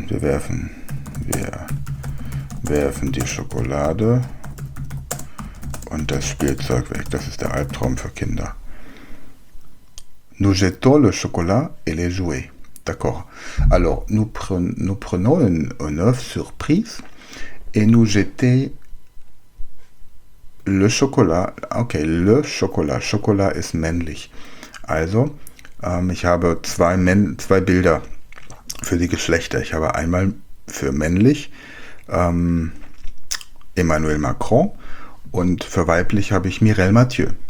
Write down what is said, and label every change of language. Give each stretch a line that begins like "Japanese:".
German: Wir werfen die Schokolade und das Spielzeug weg. Das ist der Albtraum für Kinder.
French: Nous jetons le chocolat et les jouets. D'accord. Alors, nous prenons un œuf surprise et nous jetons le chocolat.
German: Ok,
French: le chocolat.
German: Chocolat ist männlich. Also, ich habe zwei Bilder für die Geschlechter. Ich habe einmal für männlich Emmanuel Macron und für weiblich habe ich Mireille Mathieu.